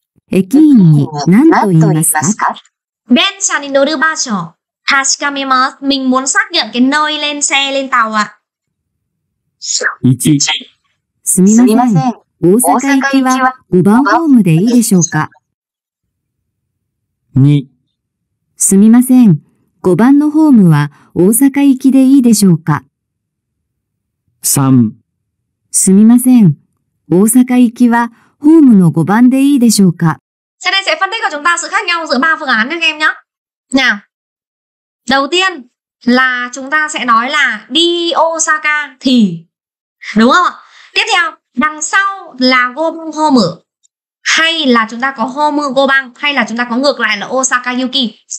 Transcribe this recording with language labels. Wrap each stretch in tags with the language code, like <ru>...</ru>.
<ja>駅員に何と言いますか電車に乗る場所。確かめます。</ja> <vi>mình muốn xác nhận cái nơi lên xe, lên tàu ạ. 1.</vi> <ja>すみません。大阪行きは5番ホームでいいでしょうか ?2. すみません。 5番のホームは大阪行きでいいでしょうか ?3. すみません。大阪行きはホームの5番でいいでしょうか</ja> <vi>Sau đây sẽ phân tích của chúng ta sự khác nhau giữa 3 phương án nhé các em nhé. Nào, đầu tiên là chúng ta sẽ nói là đi Osaka thì, đúng không? Tiếp theo, đằng sau là Gobang Home hay là chúng ta có Home Gobang hay là chúng ta có ngược lại là Osaka Yuki.</vi>